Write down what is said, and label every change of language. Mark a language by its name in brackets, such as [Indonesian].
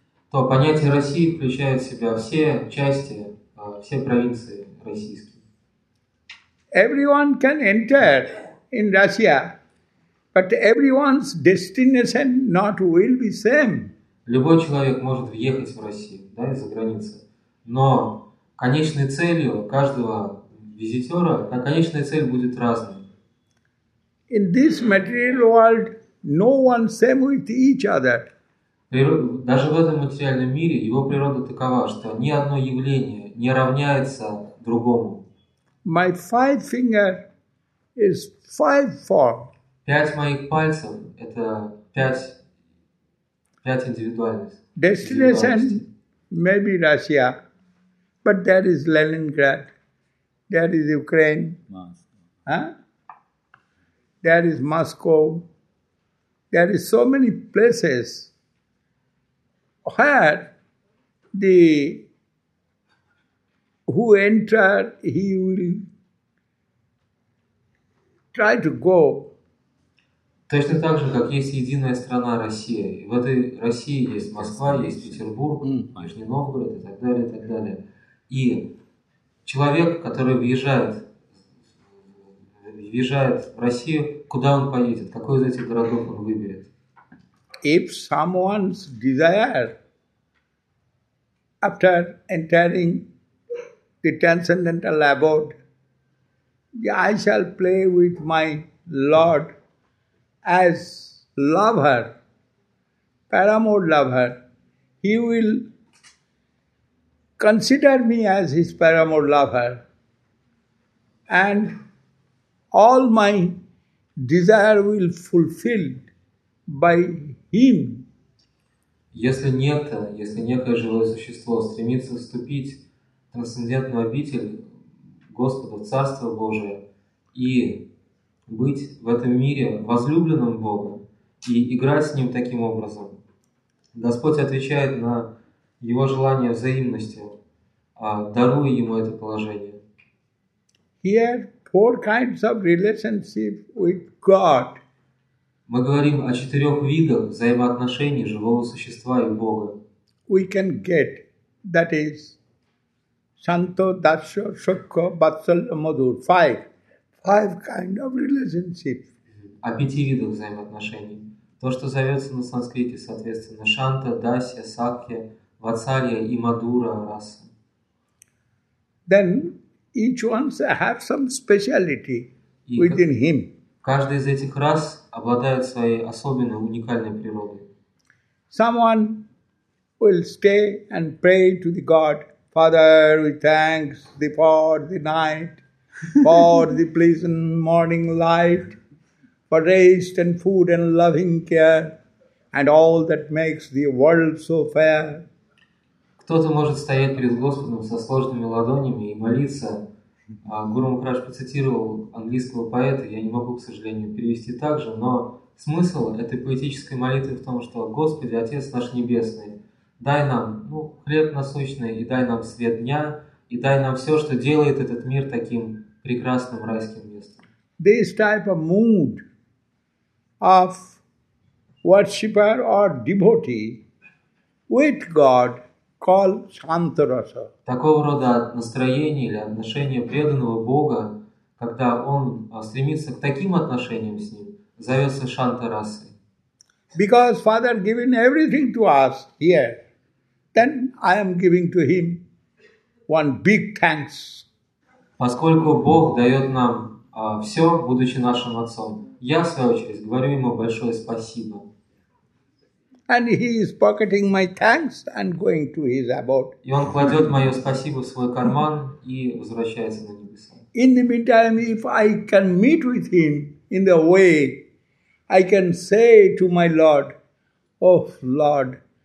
[Russian] То понятие России включает в себя все части, все провинции российские. [English] Everyone can enter in Russia, but everyone's destination not will be same. [Russian] Любой человек может въехать в Россию, да, из-за границы, но конечной целью каждого визитера, конечная цель будет разной. [English] In this material world, no one same with each other. [Russian] Даже в этом материальном мире его природа такова, что ни одно явление не равняется другому. [English] My five finger is five form. [Russian] Пять моих пальцев – это пять индивидуальностей. [English] Destination may be Russia, but there is Leningrad, there is Ukraine, there is Moscow, there is so many places. Where the who enter, he will try to go. [Russian] Точно так же, как есть единая страна Россия. И в этой России есть Москва, есть Петербург, Нижний Новгород и так далее, и так далее. И человек, который въезжает в Россию, куда он поедет? Какой из этих городов он выберет? [English] If someone's desire after entering the transcendental abode, I shall play with my Lord as lover, paramour lover. He will consider me as his paramour lover, and all my desire will fulfilled by him. [Russian] Если некое живое существо стремится вступить в трансцендентную обитель Господа, в Царство Божие, и быть в этом мире возлюбленным Богом, и играть с Ним таким образом, Господь отвечает на его желание взаимности, даруя ему это положение. [English] Here four kinds of relationship with God. [Russian] Мы говорим о четырех видах взаимоотношений живого существа и Бога. [English] We can get, that is, Santo, Dasho, Shukho, Batsala, Madhur. Five kind of relationship. [Russian] О пяти видах взаимоотношений. То, что зовется на санскрите, соответственно, Шанта, Дасья, Сакья, Ватсалья и Мадура, раса. [English] Then each one have some speciality within him. [Russian] Каждый из этих рас обладает своей особенной, уникальной природой. [English] Someone will stay and pray to the God, Father, we thank thee for the night, for the pleasant morning light, for rest and food and loving care, and all that makes the world so fair. [Russian] Кто-то может стоять перед Господом со сложными ладонями и молиться. Гуру Махарадж процитировал английского поэта, я не могу, к сожалению, перевести так же, но смысл этой поэтической молитвы в том, что «Господи, Отец наш Небесный, дай нам хлеб насущный, и дай нам свет дня, и дай нам все, что делает этот мир таким прекрасным райским местом». [English] This type of mood of worshipper or devotee with God called Shantarasa. [Russian] Такого рода настроение или отношение преданного Бога, когда он стремится к таким отношениям с Ним, зовется Шантарасой. [English] Because Father given everything to us here, then I am giving to Him one big thanks. [Russian] Поскольку Бог дает нам все, будучи нашим Отцом, я, в свою очередь, говорю Ему большое спасибо. [English] And he is pocketing my thanks and going to his abode. [Russian] И он кладет мое спасибо в свой карман и возвращается на небеса. [English] In the meantime, if I can meet with him in the way, I can say to my Lord, Oh Lord,